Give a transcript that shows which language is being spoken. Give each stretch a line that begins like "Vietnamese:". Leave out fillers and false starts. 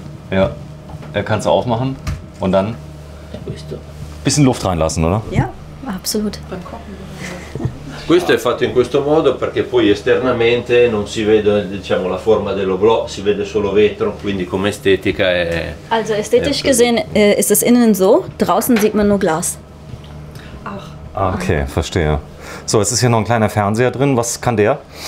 German: Ja, er kann es aufmachen und dann ein bisschen Luft reinlassen, oder? Ja, absolut.
Italian: Questo è fatto in questo modo perché poi esternamente non si vede, diciamo, la forma dell'oblò, si vede solo vetro, quindi come estetica è...
German: Also estetisch gesehen ist es innen so, draußen sieht man nur Glas. Ach. Okay, verstehe. So, jetzt ist hier noch ein kleiner Fernseher drin, was kann der?